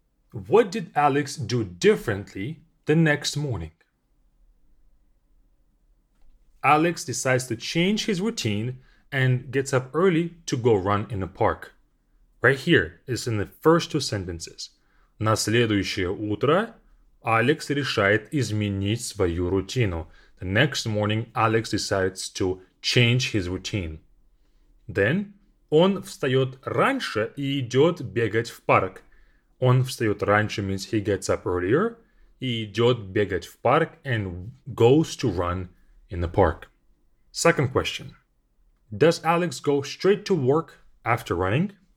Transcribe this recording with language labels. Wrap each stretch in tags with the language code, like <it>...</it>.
<en>What did Alex do differently the next morning? Alex decides to change his routine and gets up early to go run in a park. Right here is in the first two sentences.</en> <ru>На следующее утро Alex решает изменить свою рутину.</ru> <en>The next morning Alex decides to change his routine. Then</en> <ru>он встает раньше и идет бегать в парк. Он встает раньше</ru> <en>means he gets up earlier.</en> <ru>И идет бегать в парк</ru> <en>and goes to run in the park. Second question. Does Alex go straight to work after running?</en>